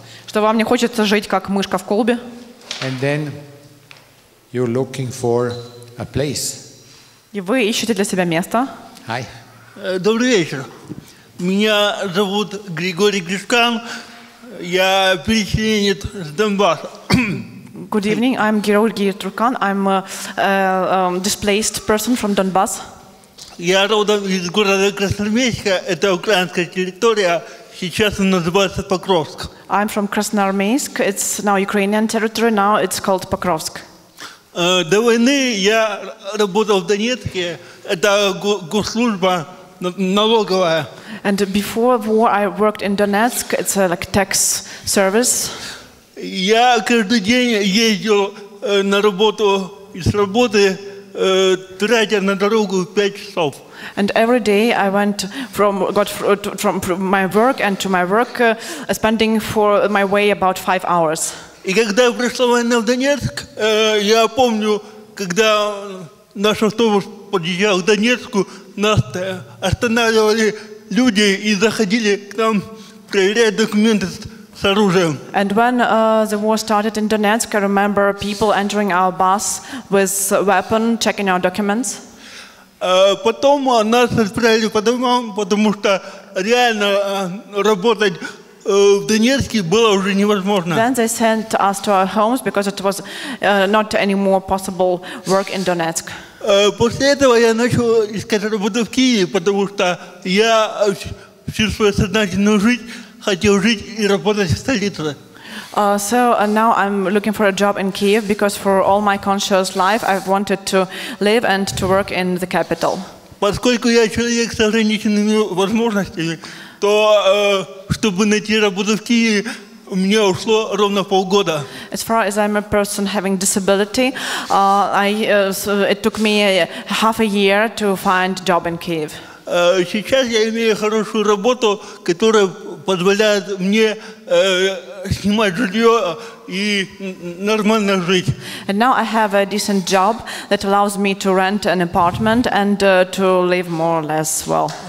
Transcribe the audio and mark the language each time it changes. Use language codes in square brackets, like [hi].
[ru] Что вам не хочется жить как мышка в колбе? [en] And then you're looking for a place. [ru] И вы ищете для себя место. [en] Hi. [ru] Добрый вечер. Меня зовут Григорий Гришкан. Я переселенец из Донбасса. [en] Good evening. I'm Georgi Turkan. I'm a displaced person from Donbass. [ru] Я родом из города Красноармейска. Это украинская территория. Сейчас она называется Покровск. [en] I'm from Krasnoyarsk. It's now Ukrainian territory. Now it's called Pokrovsk. [ru] До войны я работал в Донецке. Это госслужба налоговая. [en] And before war, I worked in Donetsk. It's a like tax service. [ru] Я каждый день ездил на работу и с работы, тратя на дорогу 5 часов. [en] And every day I went from my work and to my work, spending for my way about 5 hours. [ru] И когда пришла война в Донецк, я помню, когда наш автобус подъезжал к Донецку, нас останавливали люди и заходили к нам проверять документы. [en] And when the war started in Donetsk, I remember people entering our bus with a weapon, checking our documents. [ru] Потом нас отправили по домам, потому что реально работать в Донецке было уже невозможно. [en] Then they sent us to our homes because it was not any more possible work in Donetsk. [ru] После этого я начал искать работу в Киеве, потому что я всю свою сознательную жизнь хотел жить и работать в столице. [en] So now I'm looking for a job in Kyiv because for all my conscious life I've wanted to live and to work in the capital. [ru] Поскольку я человек с ограниченными возможностями, то чтобы найти работу в Киеве, у меня ушло ровно полгода. [en] As far as I'm a person having disability, it took me half a year to find job in Kyiv. [ru] Сейчас я имею хорошую работу, которая позволяет мне снимать жилье и нормально жить. [en] And now I have a decent job that allows me to rent an apartment and to live more or less well.